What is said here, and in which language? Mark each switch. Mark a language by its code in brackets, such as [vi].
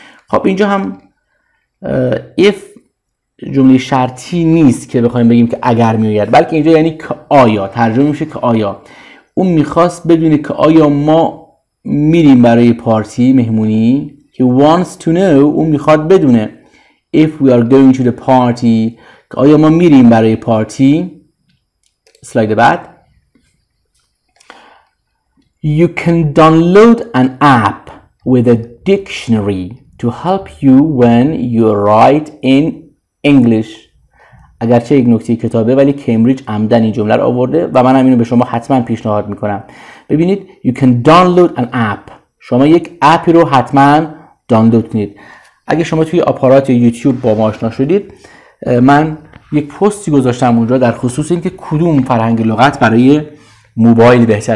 [fa] خب اینجا هم if جمله شرطی نیست که بخوایم بگیم که اگر میاد، بلکه اینجا یعنی که آیا، ترجمه میشه که آیا. اون میخواست بدونه که آیا ما میریم برای پارتی مهمونی. [en] He wants to know. [fa] اون میخواد بدونه. [en] If we are going to the party. [fa] که آیا ما میریم برای پارتی. سلاید بعد. [en] You can download an app with a dictionary to help you when you write in English. [fa] اگرچه یک نکته کتابه، ولی کمبریج عمدن این جمله رو آورده و منم اینو به شما حتما پیشنهاد میکنم. [en] ببینید، you can download an app. [fa] شما یک اپی رو حتما دانلود کنید. اگه شما توی آپارات یوتیوب با ما آشنا شدید، من یک پستی گذاشتم اونجا در خصوص اینکه کدوم فرهنگ لغت برای موبایل بهتر.